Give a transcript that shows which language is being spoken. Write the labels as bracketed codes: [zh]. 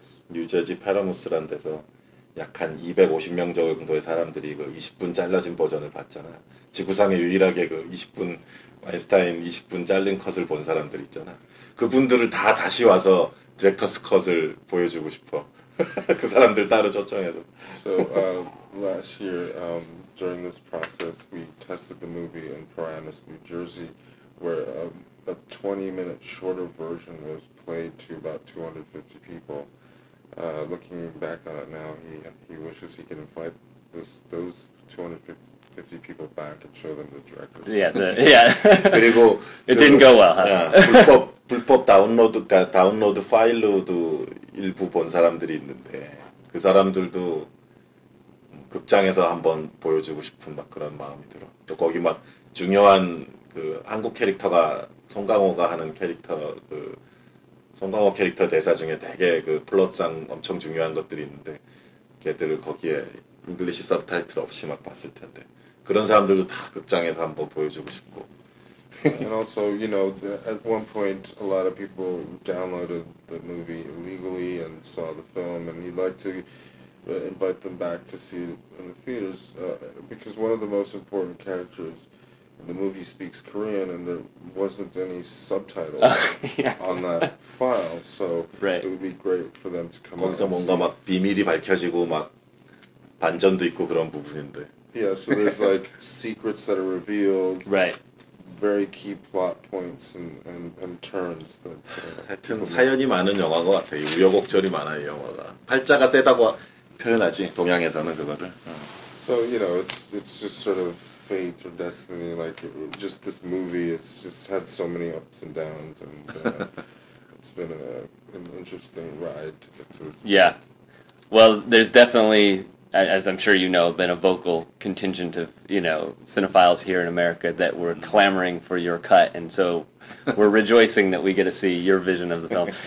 [ko] 뉴저지 파라무스란 데서 약 한 250명 정도의 사람들이 그 20분 잘라진 버전을 봤잖아. 지구상에 유일하게 그 20분 아인슈타인 20분 잘린 컷을 본 사람들 있잖아. 그분들을 다 다시 와서 디렉터스 컷을 보여주고 싶어. 그 사람들 따로 초청해서. [en] So last year, during this process, we tested the movie in Paramus, New Jersey, where a 20-minute shorter version was played to about 250 people. Looking back on it now, he wishes he could invite those 250 people back and show them the director. Yeah, yeah. [ko] 그리고 [en] it didn't go well. Huh? [ko] 불법 다운로드 파일로도 일부 본 사람들이 있는데 그 사람들도 극장에서 한번 보여주고 싶은 막 그런 마음이 들어. 또 거기 막 중요한 그 한국 캐릭터가 송강호가 하는 캐릭터 그 송강호 캐릭터 대사 중에 되게 그 플롯상 엄청 중요한 것들이 있는데 걔들을 거기에 잉글리시 서브타이틀 없이 막 봤을 텐데 그런 사람들도 다 극장에서 한번 보여주고 싶고. [en] And also, you know, at one point, a lot of people downloaded the movie illegally and saw the film, and he'd like to invite them back to see it in the theaters, because one of the most important characters in the movie speaks Korean, and there wasn't any subtitle yeah. on that file, so right. it would be great for them to come out. [ko] 뭔가 막 비밀이 밝혀지고 막 반전도 있고 그런 부분인데. [en] Yeah, so there's like secrets that are revealed. Right. Very key plot points and turns. That, [ko] 하여튼 사연이 많은 영화인 것 같아. 우여곡절이 많아요, 영화가. 팔자가 세다고 표현하지, 동양에서는 그거를. [en] So, you know, it's just sort of fate or destiny. Like, just this movie, it's just had so many ups and downs, and it's been an interesting ride to get to this point. Yeah. Well, there's definitely, as I'm sure you know, been a vocal contingent of, you know, cinephiles here in America that were clamoring for your cut, and so we're rejoicing that we get to see your vision of the film.